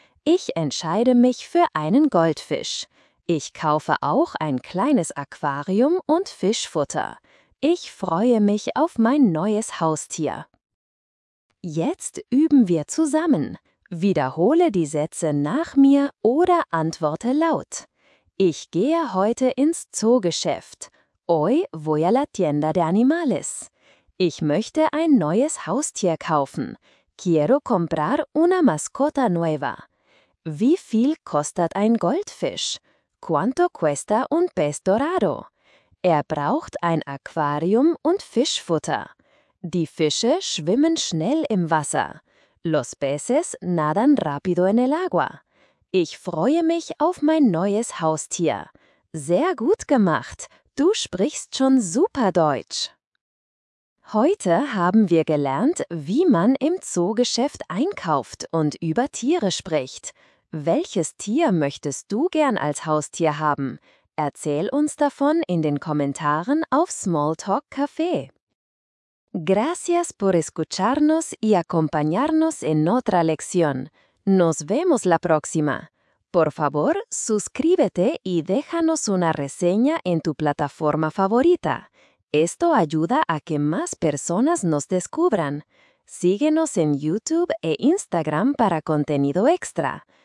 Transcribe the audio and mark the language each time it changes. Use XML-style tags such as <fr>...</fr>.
<de>Ich entscheide mich für einen Goldfisch. Ich kaufe auch ein kleines Aquarium und Fischfutter. Ich freue mich auf mein neues Haustier. Jetzt üben wir zusammen. Wiederhole die Sätze nach mir oder antworte laut. Ich gehe heute ins Zoogeschäft.</de> <es>Hoy voy a la tienda de animales.</es> <de>Ich möchte ein neues Haustier kaufen.</de> <es>Quiero comprar una mascota nueva.</es> <de>Wie viel kostet ein Goldfisch?</de> <es>Quanto cuesta un pez dorado?</es> <de>Er braucht ein Aquarium und Fischfutter. Die Fische schwimmen schnell im Wasser.</de> <es>Los peces nadan rápido en el agua.</es> <de>Ich freue mich auf mein neues Haustier. Sehr gut gemacht. Du sprichst schon super Deutsch. Heute haben wir gelernt, wie man im Zoogeschäft einkauft und über Tiere spricht. Welches Tier möchtest du gern als Haustier haben? Erzähl uns davon in den Kommentaren auf Smalltalk Café.</de> <es>Gracias por escucharnos y acompañarnos en otra lección. Nos vemos la próxima. Por favor, suscríbete y déjanos una reseña en tu plataforma favorita. Esto ayuda a que más personas nos descubran. Síguenos en YouTube e Instagram para contenido extra.</es>